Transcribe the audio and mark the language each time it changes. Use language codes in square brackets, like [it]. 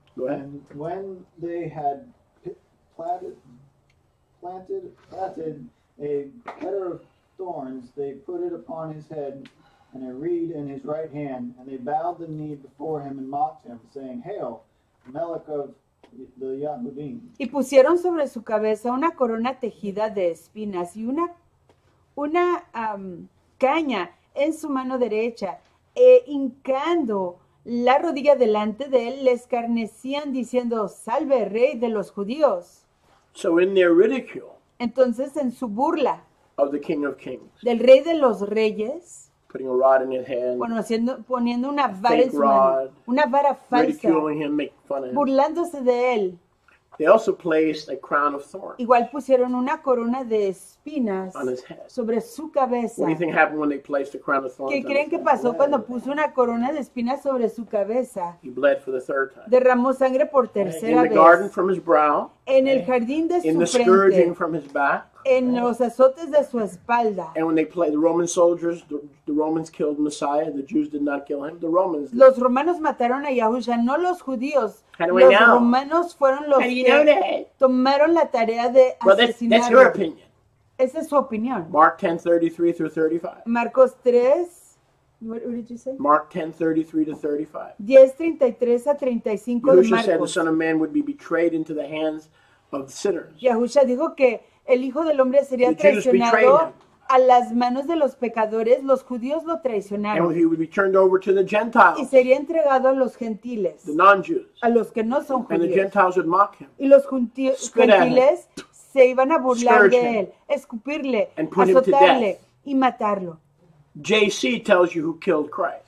[en] When they had planted a header of thorns, they put it upon his head and a reed in his right hand, and they bowed the knee before him and mocked him, saying, Hail, Melech of the Yahudim. [es] Y pusieron sobre su cabeza una corona tejida de espinas y una caña en su mano derecha, e hincando la rodilla delante de él, le escarnecían diciendo, Salve, rey de los judíos. [en] So in their ridicule, [es] entonces en su burla [en] of the King of Kings, [es] del rey de los reyes, [en] putting a rod in his hand, [es] bueno, haciendo, poniendo una vara [en] fake [es] en su mano, [en] rod, [es] una vara falsa, [en] ridiculing him, make fun of him, [es] burlándose de él. [en] They also placed a crown of thorns. [es] Igual pusieron una corona de espinas [en] on his head. [es] Sobre su cabeza. [en] What do you think happened when they placed a crown of thorns? [es] ¿Qué creen que pasó cuando puso una corona de espinas sobre su cabeza? [en] He bled for the third time. [es] Derramó sangre por tercera vez. [en] In the [es] vez. [en] Garden from his brow. [es] En el jardín de [en] in [es] su [en] the [es] frente. [en] Scourging from his back. [es] en los azotes de su espalda. [en] And when they played, the Roman soldiers, the Romans killed Messiah. The Jews did not kill him. The Romans did. [es] Los romanos mataron a Yahushua, no los judíos. [en] How do we [es] los [en] know? [es] Romanos fueron los [en] How [es] que [en] do you know that? [es] Tomaron la tarea de [en] well, [es] asesinar. [en] That's your opinion. [es] Esa es su opinión. [en] Mark 10:33-35. Marcos 3. What did you say? Mark 10:33-35. [es] 10:33-35 de Marcos. [en] Yahushua said the Son of Man would be betrayed into the hands of sinners. [es] Yahushua dijo que el Hijo del Hombre sería traicionado a las manos de los pecadores. Los judíos lo traicionaron. [en] And he would be turned over to the Gentiles. [es] Y sería entregado a los gentiles. [en] The non-Jews. [es] A los que no son judíos. [en] And the Gentiles would mock him. [es] Y los gentiles se iban a burlar de él. Escupirle. [en] And put [es] azotarle, [en] him to death. [es] Y matarlo. [en] JC tells you who killed Christ.